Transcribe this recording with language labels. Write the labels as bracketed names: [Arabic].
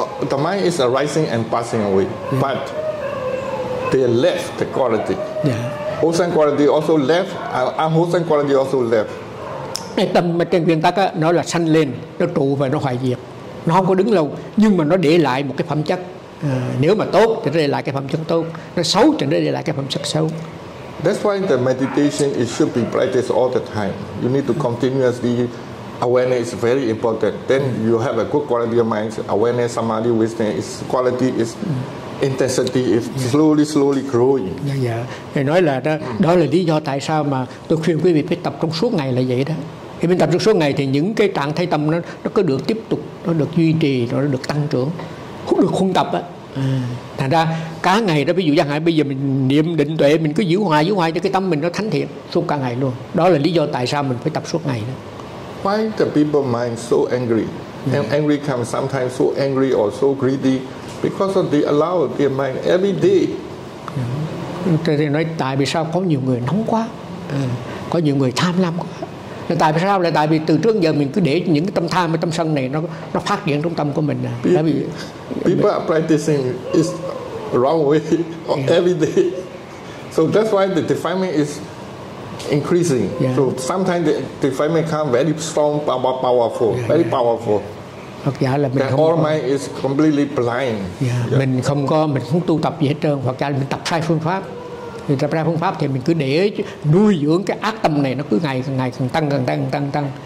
[English] The mind is arising and passing away, but they left the quality. Yeah. Wholesome quality also left. Unwholesome quality also left. [Vietnamese] Cái tâm mà trên nguyên tắc nó là sanh lên, nó trụ và nó hoại diệt. Nó không có đứng lâu, nhưng mà nó để lại một cái phẩm chất. Nếu mà tốt thì nó để lại cái phẩm chất tốt. Nó xấu thì nó để lại cái phẩm chất xấu. [English] That's why the meditation it should be practiced all the time. You need to continuously. Awareness is very important. Then you have a good quality of mind. Awareness, samadhi, wisdom, its quality, its intensity is slowly growing. Yeah, yeah. [Vietnamese] Thì nói là đó là lý do tại sao mà tôi khuyên quý vị phải tập trong suốt ngày là vậy đó. Khi mình tập trong suốt ngày thì những cái trạng thái tâm nó cứ được tiếp tục, nó được duy trì, nó được tăng trưởng, được khuôn tập á. Thành ra cả ngày đó, ví dụ chẳng hạn bây giờ mình niệm định tuệ, mình cứ giữ hoài cho cái tâm mình nó thánh thiện suốt cả ngày luôn. Đó là lý do tại sao mình phải tập suốt ngày đó. [English] Why the people mind so angry? Yeah. And angry come sometimes so angry or so greedy because of they allow their mind every day. Yeah. [Vietnamese] Thì nói tại vì sao có nhiều người nóng quá, có nhiều người tham lam quá. Là tại vì sao? Là tại vì từ trước giờ mình cứ để những cái tâm tham và tâm sân này nó phát triển trong tâm của mình. [English] People are practicing is wrong way every day. So that's why the defilement is increasing. Yeah. So sometimes the defilement come very strong, powerful, powerful. [Vietnamese] Hoặc giả là mình [English] that all mind is completely blind. Yeah. Yeah. [Vietnamese] Mình không tu tập gì hết trơn. Hoặc giả là mình tập sai phương pháp. Mình tập sai phương pháp thì mình cứ để nuôi dưỡng cái ác tâm này nó cứ ngày càng tăng càng tăng càng tăng tăng.